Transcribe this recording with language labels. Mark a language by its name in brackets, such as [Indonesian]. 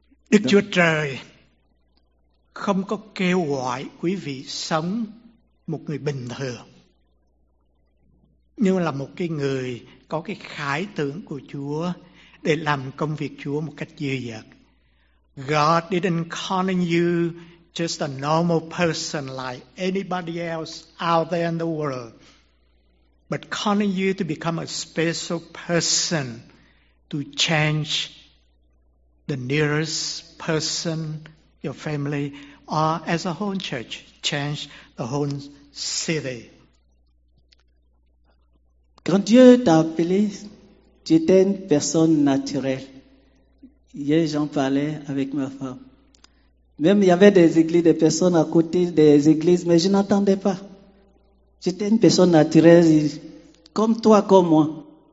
[Vietnamese] Donc, Chúa Trời không có kêu gọi quý vị sống một người bình thường, nhưng là một cái người có cái khải tưởng của Chúa để làm công việc Chúa một cách dư dật. [English] God didn't call you just a normal person like anybody else out there in the world, but calling you to become a special person to change the nearest person, your family, or as a whole church, change the whole city. [French] Quand Dieu t'a appelé, tu étais une personne naturelle. Hier, j'en parlais avec ma femme. Même il y avait des églises, des personnes à côté des églises, mais je n'entendais pas. J'étais une personne naturelle, comme toi, comme moi.